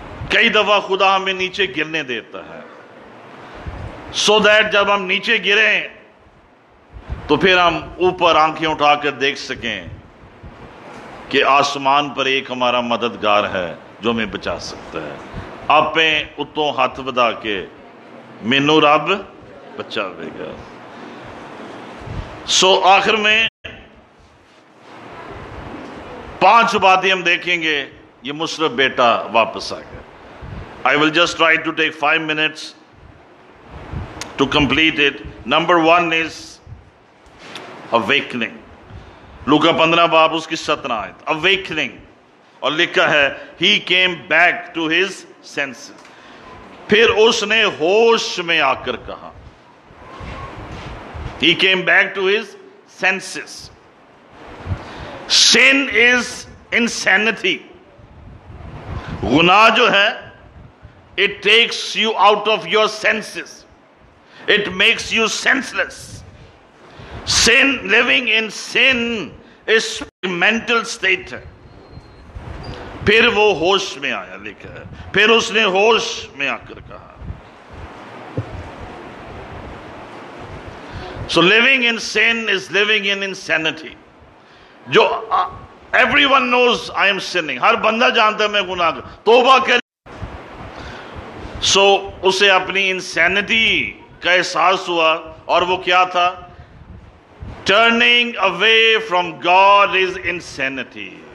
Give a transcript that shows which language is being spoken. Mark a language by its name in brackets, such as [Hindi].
[Urdu] کئی دفعہ خدا ہمیں نیچے گرنے دیتا ہے سو دیٹ جب ہم نیچے گریں تو پھر ہم اوپر آنکھیں اٹھا کر دیکھ سکیں کہ آسمان پر ایک ہمارا مددگار ہے جو ہمیں بچا سکتا ہے. [Punjabi] آپے اتوں ہاتھ ودا کے مینو رب بچاوے گا. [Urdu] سو آخر میں پانچ باتیں ہم دیکھیں گے. یہ مصرف بیٹا واپس آ گیا. [English] I will just try to take 5 minutes to complete it. Number one is awakening. [Urdu] Luka 15 باب اس کی 17 آیت. [English] Awakening. [Urdu] اور لکھا ہے [English] he came back to his senses. [Urdu] پھر اس نے ہوش میں آ کر کہا. [English] He came back to his senses. Sin is insanity. [Urdu] گناہ جو ہے [English] it takes you out of your senses, it makes you senseless. Sin, living in sin is mental state. [Urdu] پھر وہ ہوش میں آیا, لکھا ہے پھر اس نے ہوش میں آ کر کہا. [English] So living in sin is living in insanity. [Urdu] جو [English] everyone knows I am sinning, [Urdu] ہر بندہ جانتا ہے میں گناہ کر, توبہ کر. سو اسے اپنی انسینٹی کا احساس ہوا اور وہ کیا تھا, [English] Turning away from God is insanity.